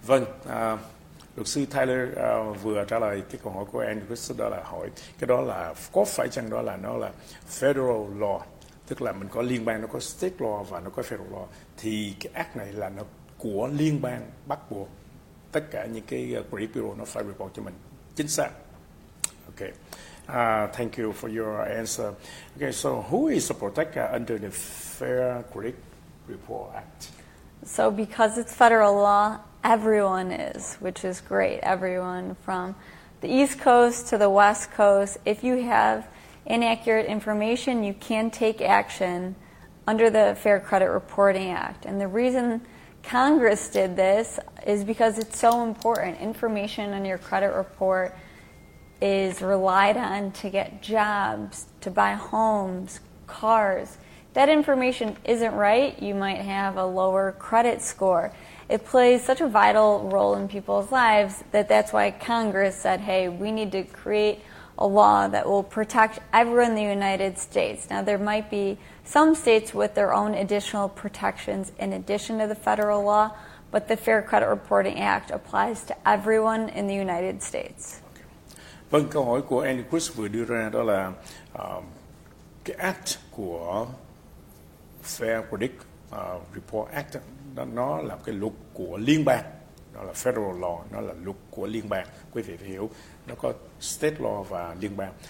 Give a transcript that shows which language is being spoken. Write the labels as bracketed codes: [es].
[vi] Vâng, luật sư Taylor vừa trả lời cái câu hỏi của anh, đó là hỏi cái đó là có phải chăng đó là nó là federal law, tức là mình có liên bang, nó có state law và nó có federal law, thì cái act này là nó của liên bang bắt buộc tất cả những cái credit bureau nó phải report cho mình. Chính xác. [en] Okay. Thank you for your answer. Okay, so who is a protector under the Fair Credit Report Act? So because it's federal law, everyone is, which is great. Everyone from the East Coast to the West Coast. If you have inaccurate information, you can take action under the Fair Credit Reporting Act. And the reason Congress did this is because it's so important. Information on your credit report is relied on to get jobs, to buy homes, cars. That information isn't right, you might have a lower credit score. It plays such a vital role in people's lives that that's why Congress said, hey, we need to create a law that will protect everyone in the United States. Now, there might be some states with their own additional protections in addition to the federal law, but the Fair Credit Reporting Act applies to everyone in the United States. [vi] Vâng, câu hỏi của Andy Chris vừa đưa ra đó là cái act của Fair Credit Report Act đó, nó là cái luật của liên bang, nó là federal law, nó là luật của liên bang, quý vị phải hiểu, nó có state law và liên bang.